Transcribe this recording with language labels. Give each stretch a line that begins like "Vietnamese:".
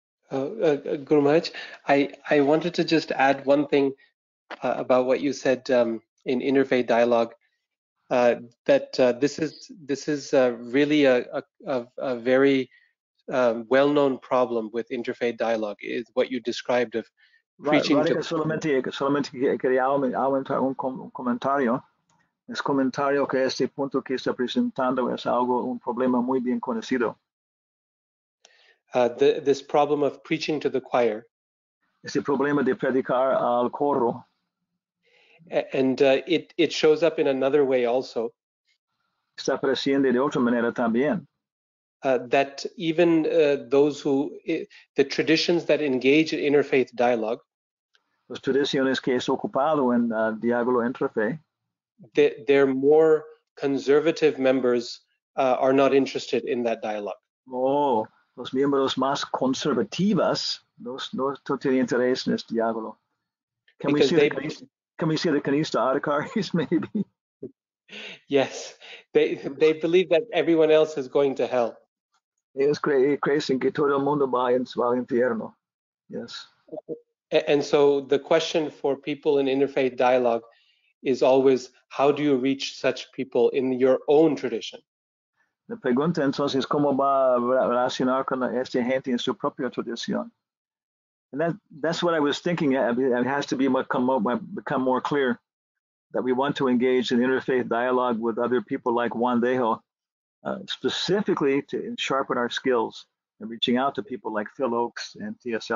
English: Guru Maharaj, I wanted to just add one thing about what you said in interfaith dialogue. This is really a very well-known problem with interfaith dialogue is what you described of preaching to.
Spanish: Solamente quería aumentar un comentario. Es comentario que este punto que está presentando es algo un problema muy bien conocido.
English: This problem of preaching to the choir.
Spanish: Este problema de predicar al coro.
English: And it shows up in another way also.
Spanish: Está apareciendo de otra manera también.
English: That even those who the traditions that engage in interfaith dialogue.
Spanish: Las tradiciones que es ocupado en diálogo entrefe.
English: Their more conservative members are not interested in that dialogue.
Spanish: Oh, los miembros más conservativas no tienen interés en este diálogo.
English: Can we see the Kanista Adhikaris maybe? Yes, they believe that everyone else is going to hell.
Spanish: Ellos creen que todo el mundo va al infierno.
English: Yes. And so the question for people in interfaith dialogue is always, how do you reach such people in your own tradition?
Spanish: La pregunta entonces, ¿cómo va a relacionar con esta gente en su propia tradición?
English: And that's what I was thinking. It has to become more clear that we want to engage in interfaith dialogue with other people like Juan Dejo, specifically to sharpen our skills and reaching out to people like Phil Oakes and T.S.